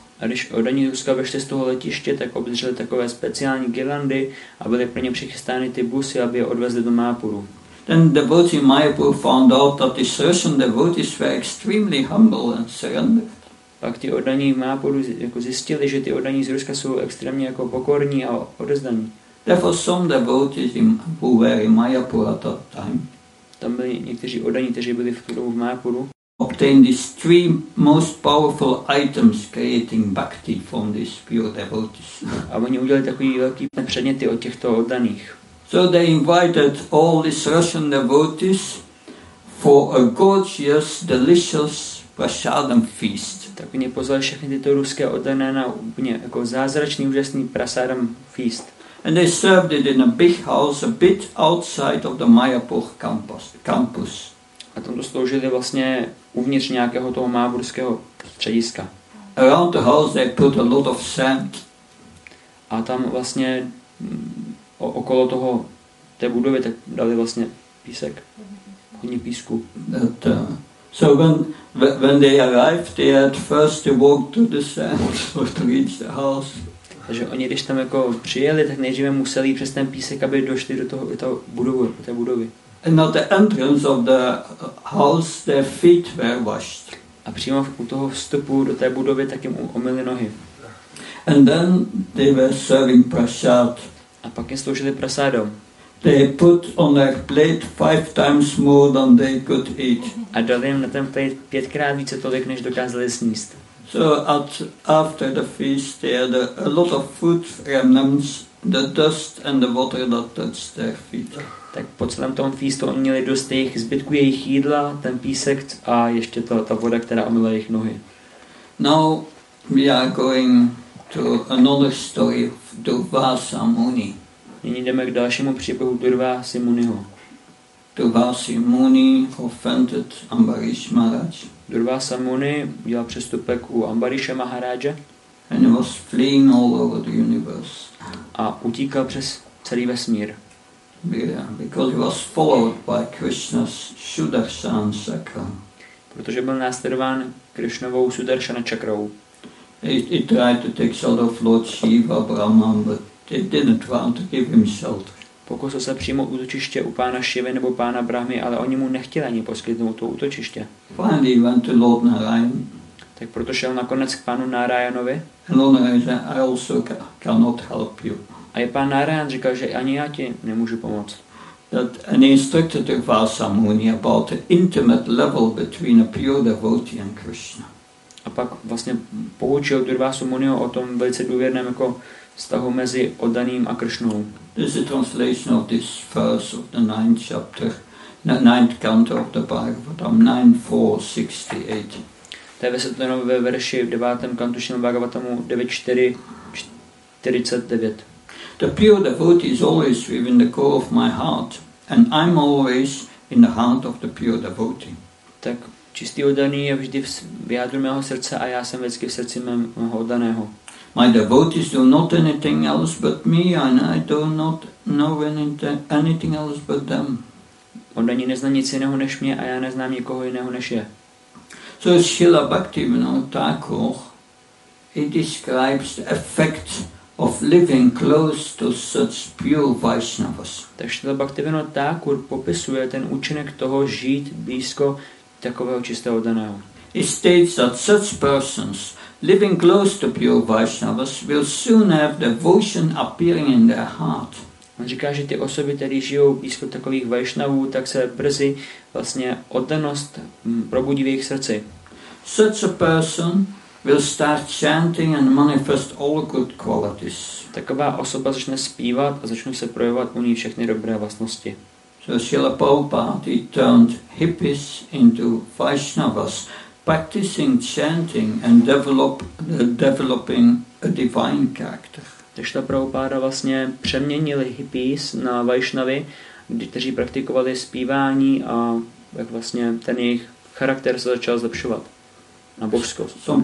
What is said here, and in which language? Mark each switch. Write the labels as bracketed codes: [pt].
[cs] A když oddaní Ruska vešli z toho letiště, tak obdrželi takové speciální girlandy a byly pro ně přichystány ty busy, aby je odvezli do Mayapuru. [en] Then the devotees in Mayapur found out that these Russian devotees were extremely humble and surrendered. [cs] Pak ti oddaní v Mayapuru jako zjistili, že ty oddaní z Ruska jsou extrémně jako pokorní a odezdaní. [en] Therefore some devotees who were in Mayapur at that time. [cs] Tam byli někteří oddaní, kteří byli v tu dobu v Mayapuru. [en] Obtained these three most powerful items creating bhakti from these pure devotees. [cs] A oni udělali takový velký předměty od těchto oddaných. [en] So they invited all these Russian devotees for a gorgeous, delicious prasadam feast. [cs] Tak oni pozvali všechny tyto ruské oddané na úplně jako zázračný, úžasný prasadam feast. [en] And they served it in a big house a bit outside of the Mayapur campus. [cs] A tam to sloužili vlastně uvnitř nějakého toho mayapurského střediska. [en] Around the house they put a lot of sand. [cs] A tam vlastně okolo toho té budovy tak dali vlastně písek, hodně písku. [en] So when they arrived, they had first to walk to the sand to reach the house. [cs] Takže oni když tam jako přijeli, tak nejdříve museli přes ten písek, aby došli do té budovy. [en] And at the entrance of the house, their feet were washed. [cs] A přímo u toho vstupu do té budovy tak jim omyli nohy. [en] And then they were serving prasad. [cs] A pak jim sloužili prasádom. [en] They put on their plate 5 times more than they could eat. [cs] A dali jim na ten plate 5x více tolik, než dokázali sníst. [en] So after the feast, they had a lot of food remnants, the dust and the water that touched their feet. [cs] Tak po celém tom feastu oni měli dost jejich zbytků, jejich jídla, ten písek a ještě ta voda, která omyla jejich nohy. [en] Now we are going to another story of Durvasa Muni. [cs] Nyní jdeme k dalšímu příběhu Durvasy Muniho. [en] Durvasa Muni offended Ambarish Maharaj. [cs] Durvasa Muni udělal přestupek u Ambarisha Maharaja. [en] And he was fleeing all over the universe. [cs] A utíkal přes celý vesmír. [en] Because he was followed by Krishna's Sudarshan Chakra. [cs] Protože byl následován Krishnovou Sudarshana Chakrou. [en] He tried to take shelter of Lord Shiva, Brahman, but he didn't want to give him shelter. [cs] Pokusil se přímo útočiště u pána Šivy nebo pána Brahmy, ale oni mu nechtěli ani poskytnout to útočiště. [en] Finally went to Lord Narayan. [cs] Tak proto šel nakonec k pánu Narayanovi. [en] And Lord Narayan said, I also cannot help you. [cs] A je pán Narayan říkal, že ani já ti nemůžu pomoct. [en] That an instructed Durvasa Muni about the intimate level between a pure devotee and Krishna. [cs] A pak vlastně poučil Durvasu Muniho o tom velice důvěrném jako vztahu mezi oddaným a Kršnou. [en] This is a translation of this verse of the ninth chapter, ninth canto of the Bhagavatam, 9.4.68. [cs] To je vysvětleno ve verši v 9. kantu Šrimad Bhagavatamu 9.4.49. [en] The pure devotee is always within the core of my heart, and I'm always in the heart of the pure devotee. [cs] Tak čistý oddaný je vždy v jádru mého srdce a já jsem vždycky v srdci mého oddaného. [en] My devotees do not anything else but me, and I do not know anything else but them. [cs] Oddaní nezná nic jiného než mě a já neznám nikoho jiného než je. [en] So Srila Bhaktivinoda Thakur, he describes the effect of living close to such pure Vaishnavas. [cs] Tak Srila Bhaktivinoda Thakur popisuje ten účinek toho žít blízko takového čistého oddaného. [en] He states that such persons living close to pure Vaishnavas will soon have devotion appearing in their heart. [cs] On říká, že ty osoby, které žijou blízko takových Vaishnavů, tak se brzy vlastně oddanost probudí v jejich srdci. [en] Such a person will start chanting and manifest all good qualities. [cs] Taková osoba začne zpívat a začnou se projevovat u ní všechny dobré vlastnosti. [en] So Srila Prabhupada, he turned hippies into Vaishnavas. practicing chanting and developing a divine character. [cs] Takže ta Prabhupáda vlastně přeměnili hippies na Vaishnavy, kteří praktikovali zpívání a jak vlastně ten jejich charakter se začal zlepšovat na božskost.